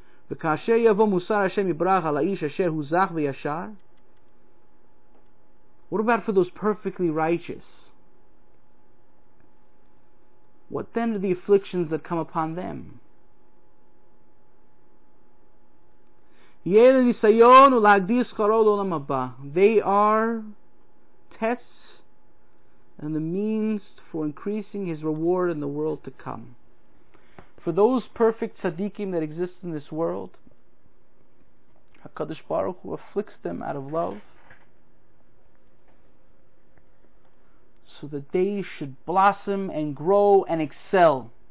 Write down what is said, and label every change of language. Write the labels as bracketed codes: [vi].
[en] וכאשר יבוא מוסר השם יברך על האיש אשר הוא זך וישר. What about for those perfectly righteous? What then are the afflictions that come upon them? [he] יהיה לניסיון ולהגדיר שכרו לעולם הבא. [en] They are tests and the means for increasing his reward in the world to come. For those perfect tzaddikim that exist in this world, HaKadosh Baruch Hu afflicts them out of love, so that they should blossom and grow and excel.